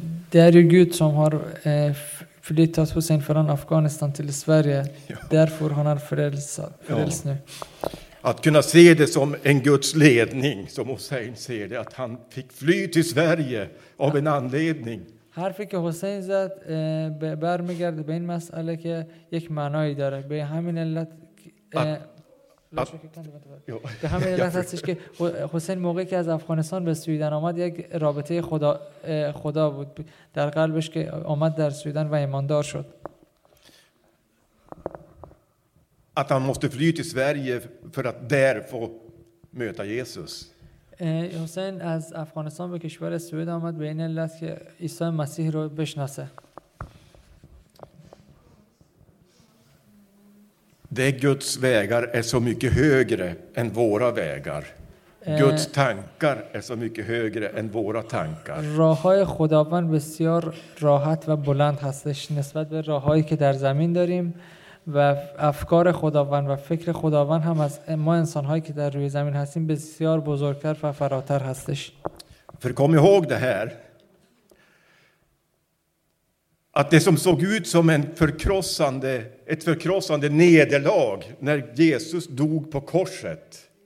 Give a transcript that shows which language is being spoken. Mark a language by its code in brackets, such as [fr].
[sv] Det är ju Gud som har flyttat Hussein från Afghanistan till Sverige. Därför han är frälst nu. Att kunna se det som en Guds ledning, som Hussein ser det, att han fick fly till Sverige av en anledning. [fa] حرف که حسین زد برمیگرده به این مسئله که یک معنایی داره به همین علت به همین علت هستش که حسین موقعی که از افغانستان به سویدن آمد یک رابطه خدا بود در قلبش که آمد در سویدن و ایماندار شد [sv] att han måste fly till Sverige för att där få möta Jesus. [fa] حسین از افغانستان به کشور سوئد آمد به این علت که عیسی مسیح رو بشناسه. [sv] Guds vägar är så mycket högre än våra vägar. Guds tankar är så mycket högre än våra tankar. [fa] راه‌های خداوند بسیار راحت و بلند هستش نسبت به راه‌هایی که در زمین داریم و افکار خداوند و فکر خداوند هم از ما انسان‌هایی که در روی زمین هستیم بسیار بزرگتر و فراتر هستش. [sv] För kom ihåg det här att det som såg ut som ett förkrossande nederlag när Jesus dog på korset.